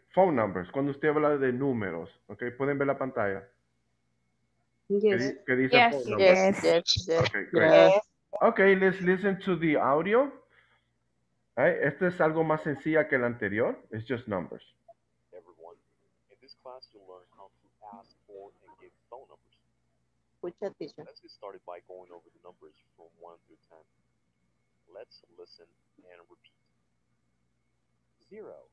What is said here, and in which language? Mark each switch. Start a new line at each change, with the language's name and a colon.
English: Phone numbers,
Spanish: cuando usted habla de números, ¿ok? ¿Pueden ver la pantalla?
English: Yes.
Spanish: ¿Qué dice?
English: Yes, yes. Okay, yes. Ok, let's listen to the audio.
Spanish: Right, este es algo más sencilla que el anterior.
English: It's just numbers. Everyone, in this class you'll learn how to ask for and give phone numbers. Which teacher? Let's get started by going over the numbers from 1 through 10. Let's listen and repeat. 0.